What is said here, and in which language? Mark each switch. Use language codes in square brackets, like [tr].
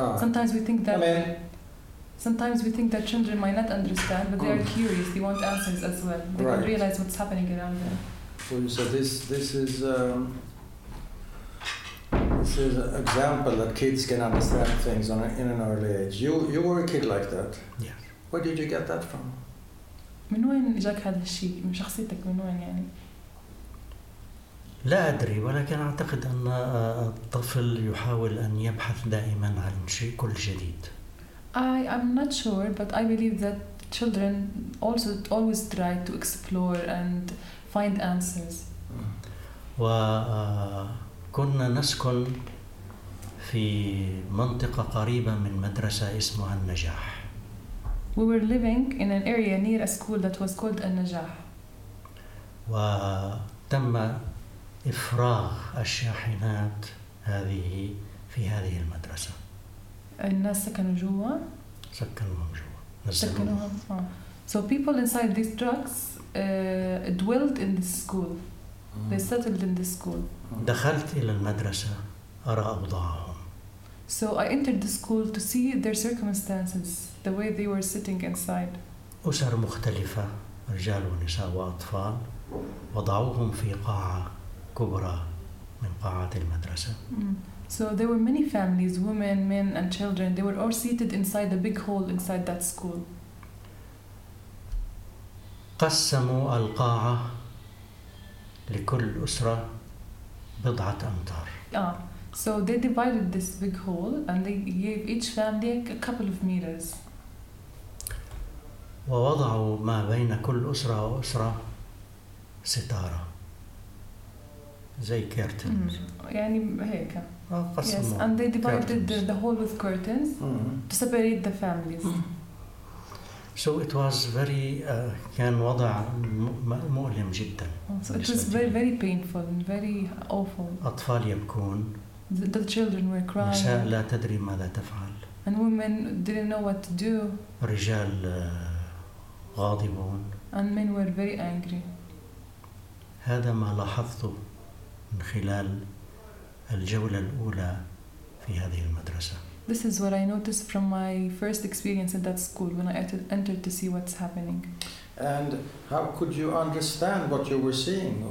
[en] Sometimes we think that children might not understand, but they are curious. They want answers as well. They can realize what's happening around them. So this is an example that kids can understand things in an early age. You were a kid like that. Yeah. Where did you get that from? [ar] من وين جاك هذا الشيء من شخصيتك من وين يعني؟ لا أدري، ولكن أعتقد أن الطفل يحاول أن يبحث دائما عن شيء كل جديد. [en] I'm not sure, but I believe that children also always try to explore and find answers. [ar] وكنا نسكن في منطقة قريبة من مدرسة اسمها النجاح. [en] We were living in an area near a school that was called النجاح. [ar] وتم إفراغ الشاحنات هذه في هذه المدرسة. الناس سكنوا جوا. سكنوهم جوا. سكنوهم. [en] So people inside these trucks dwelt in this school. They settled in this school. [ar] دخلت إلى المدرسة أرى أوضاعهم. [en] So I entered the school to see their circumstances, the way they were sitting inside. [ar] أسر مختلفة، رجال ونساء وأطفال، وضعوهم في قاعة كبرى من قاعات المدرسة. [en] So there were many families, women, men and children. They were all seated inside the big hall inside that school. [ar] قسموا القاعة لكل أسرة بضعة أمتار. [en] So they divided this big hall and they gave each family a couple of meters. [ar] ووضعوا ما بين كل أسرة وأسرة ستارة زي كيرتنز. يعني هيك. قسموا. [en] Yes, and they divided the hall with curtains to separate the families. So it was very [ar] كان وضع مؤلم جدا. [en] So it was very very painful and very awful. [ar] أطفال يبكون. [en] The children were crying. [ar] نساء لا تدري ماذا تفعل. [en] And women didn't know what to do. [ar] رجال غاضبون. [en] And men were very angry. [ar] هذا ما لاحظته من خلال الجولة الأولى في هذه المدرسة. [en] This is what I noticed from my first experience at that school when I entered to see what's happening. And how could you understand what you were seeing?